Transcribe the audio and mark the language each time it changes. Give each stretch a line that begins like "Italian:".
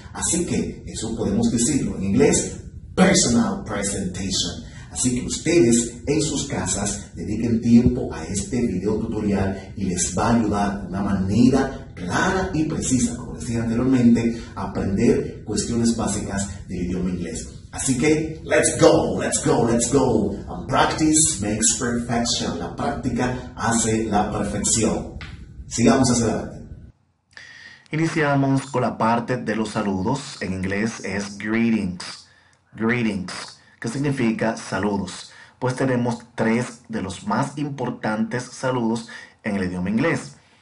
Spanish: Así que eso podemos decirlo en inglés,
English: personal presentation.
Spanish: Así que ustedes en sus casas dediquen tiempo a este video tutorial y les va a ayudar de una manera clara y precisa, como decía anteriormente, a aprender cuestiones básicas del idioma inglés. Así que,
English: let's go, let's go, let's go. And practice makes perfection.
Spanish: La práctica hace la perfección. Sigamos hacia adelante. Iniciamos con la parte de los saludos. En inglés es greetings. Greetings. ¿Qué significa saludos? Pues tenemos tres de los más importantes saludos en el idioma inglés.